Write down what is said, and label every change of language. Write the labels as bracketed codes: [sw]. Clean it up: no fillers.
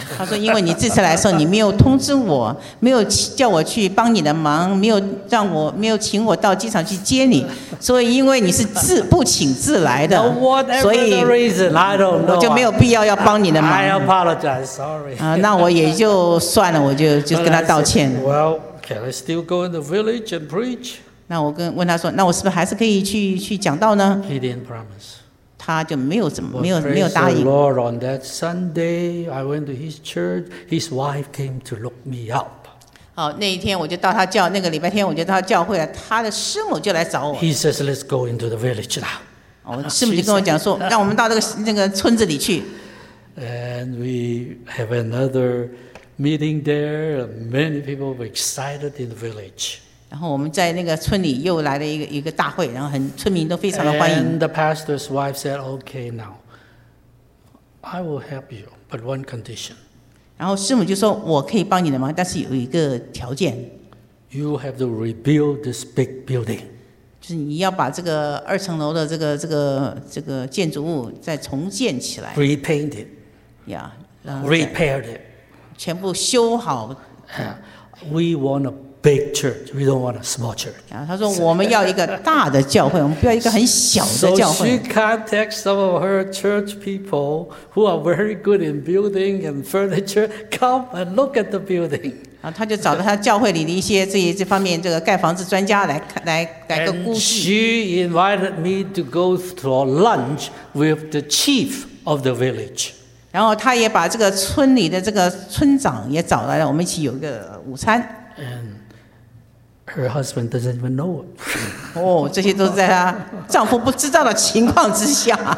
[zh] 他说因为你这次来的时候你没有通知我，没有叫我去帮你的忙，没有请我到机场去接你，所以因为你是不请自来的，所以我就没有必要要帮你的忙。 [en] I apologize, sorry. [zh] 那我也就算了，我就跟他道歉。 [en] Well, can I still go in the village and preach? [zh] 那我问他说，那我是不是还是可以去讲道呢？ [en] He didn't promise. [zh] 他就没有答应。 [en] But praise the Lord, on that Sunday, I went to his church. His wife came to look me up. [zh] 好，那一天我就到他教，那个礼拜天我就到他教会了，他的师母就来找我。 [en] He says, let's go into the village now. [zh] 师母就跟我讲说，让我们到那个村子里去。 [en] And we have another meeting there. Many people were excited in the village. [zh] 然后我们在那个村里又来了一个大会，然后村民都非常的欢迎。 [en] And the pastor's wife said, "Okay, now, I will help you, but one condition." [zh] 然后师母就说，我可以帮你的忙，但是有一个条件。 [en] You have to rebuild this big building. [zh] 就是你要把这个二层楼的这个建筑物再重建起来。 [en] Repaint it. Yeah. Repair it. [zh] 全部修好。 [en] We want to. Big church. We don't want a small church. [zh] 他说我们要一个大的教会，我们不要一个很小的教会。 [en] So she contacts some of her church people who are very good in building and furniture. Come and look at the building. [zh] 然后他就找到他教会里的一些这方面这个盖房子专家来个估计。 [en] And she invited me to go for lunch with the chief of the village. [zh] 然后他也把这个村里的这个村长也找来了，我们一起有一个午餐。 [en] Her husband doesn't even know it. [zh] 这些都是在她丈夫不知道的情况之下。